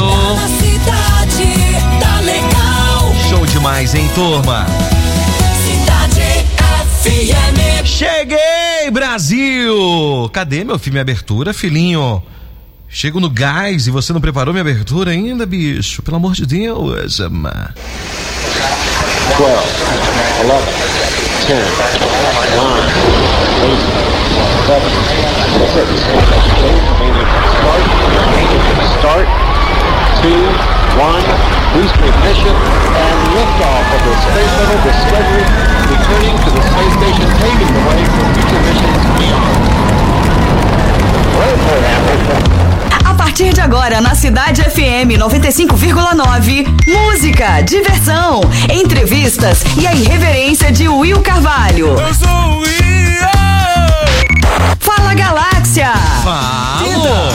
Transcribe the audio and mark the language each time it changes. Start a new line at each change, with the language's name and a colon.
Portuguese: Tá na cidade, tá legal. Show demais, hein, turma? Cidade FM. Cheguei, Brasil! Cadê meu filme abertura, filhinho? Chego no gás e você não preparou minha abertura ainda, bicho? Pelo amor de Deus, amar. 12, 11,
English: 10, 9, 8, 7, 6, 5, start, 2, 1, boost ignition and lift off of the space shuttle Discovery, returning to the space station, paving the way for future missions beyond. Well,
Portuguese: a partir de agora, na Cidade FM 95,9, música, diversão, entrevistas e a irreverência de Will Carvalho. Eu sou o Will! Fala, Galáxia! Fala!